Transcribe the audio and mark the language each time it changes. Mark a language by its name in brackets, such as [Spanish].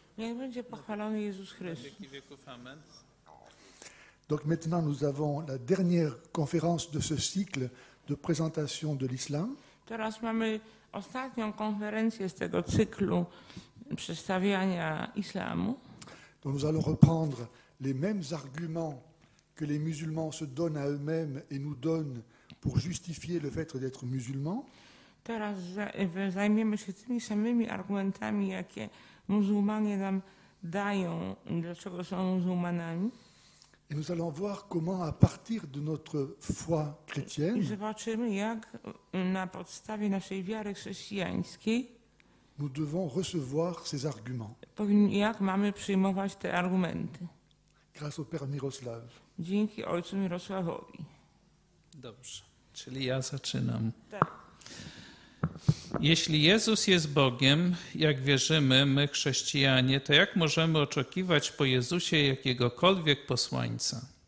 [French] Donc maintenant, nous avons la dernière conférence de ce cycle de présentation de l'islam. [Polish] Teraz mamy ostatnią konferencję z tego cyklu przedstawiania islamu. [French] Donc nous allons reprendre les mêmes arguments que les musulmans se donnent à eux-mêmes et nous donnent pour justifier le fait d'être musulmans. [Polish] Teraz zajmiemy się tymi samymi argumentami, jakie muzułmanie nam dają, dlaczego są muzułmanami. [French] Et nous allons voir comment à partir de notre foi chrétienne. [Polish] I zobaczymy, jak na podstawie naszej wiary chrześcijańskiej. [French] Nous devons recevoir ces arguments. [Polish] Jak mamy przyjmować te argumenty? [French] Grâce au Père Miroslav. [Polish] Dzięki Ojcu Mirosławowi. Dobrze. Czyli ja zaczynam. Tak. Jeśli Jezus jest Bogiem, jak wierzymy my chrześcijanie, to jak możemy oczekiwać po Jezusie jakiegokolwiek posłańca?